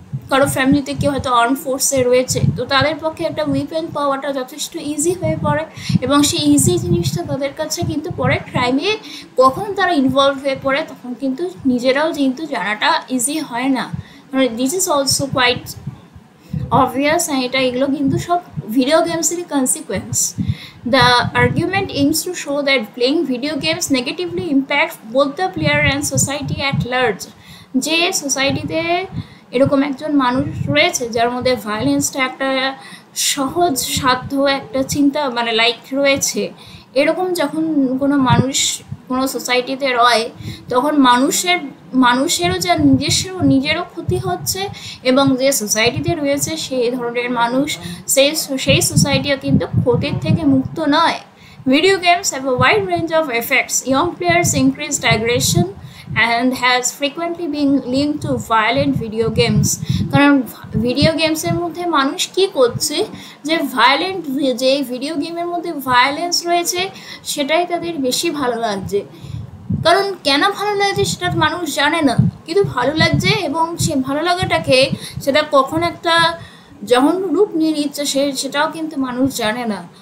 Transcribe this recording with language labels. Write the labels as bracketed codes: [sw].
[bn] কারো ফ্যামিলিতে কেউ হয়তো আর্ম ফোর্সে রয়েছে তো তাদের পক্ষে একটা উইপেন পাওয়াটা যথেষ্ট ইজি হয়ে পড়ে, এবং সেই ইজি জিনিসটা তাদের কাছে কিন্তু পরে ক্রাইমে কখন তারা ইনভলভ হয়ে পড়ে তখন কিন্তু নিজেরাও কিন্তু জানাটা ইজি হয় না। মানে [en] this is also quite obvious, [bn] হ্যাঁ এটা এগুলো কিন্তু সব video গেমসেরই consequence. [en] The argument aims to show that playing video games negatively impacts both the player and society at large. [bn] যে সোসাইটিতে এরকম একজন মানুষ রয়েছে যার মধ্যে ভায়োলেন্সটা একটা সহজ সাধ্য একটা চিন্তা মানে লাইক রয়েছে, এরকম যখন কোনো মানুষ কোনো সোসাইটিতে রয় তখন মানুষেরও যা নিজেরও ক্ষতি হচ্ছে এবং যে সোসাইটিতে রয়েছে সেই ধরনের মানুষ সেই সোসাইটিও কিন্তু ক্ষতির থেকে মুক্ত নয়। [en] Video games have a wide range of effects, young players increased aggression, and has frequently been linked to violent video games. [bn] কারণ video games এর মধ্যে মানুষ কি করছে যে violent যে video game এর মধ্যে violence রয়েছে সেটাই তাদের বেশি ভালো লাগছে। কারণ কেন ভালো লাগছে সেটা মানুষ জানে না, কিন্তু ভালো লাগছে এবং সে ভালো লাগাটাকে সেটা কখন একটা যখন রূপ নিয়ে নিচ্ছে সে সেটাও কিন্তু মানুষ জানে না।